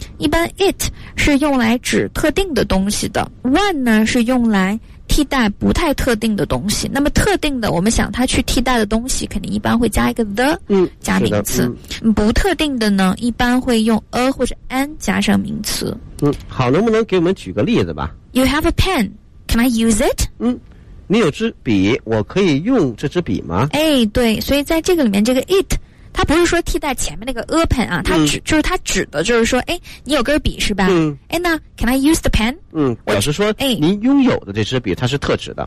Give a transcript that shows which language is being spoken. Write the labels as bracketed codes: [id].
[zh] 一般 it 是用来指特定的东西的， one 呢是用来替代不太特定的东西。那么特定的我们想它去替代的东西肯定一般会加一个 the、嗯、加名词、嗯、不特定的呢一般会用 a 或者 an 加上名词。嗯，好，能不能给我们举个例子吧？ [en] You have a pen, can I use it? [zh] 嗯，你有支笔，我可以用这支笔吗？哎，对，所以在这个里面这个 it 它不是说替代前面那个 a pen 啊，它指、嗯、就是它指的就是说哎，你有根笔是吧，嗯，哎，那 [en] can I use the pen， [zh] 嗯，表示说哎，您拥有的这支笔它是特指的。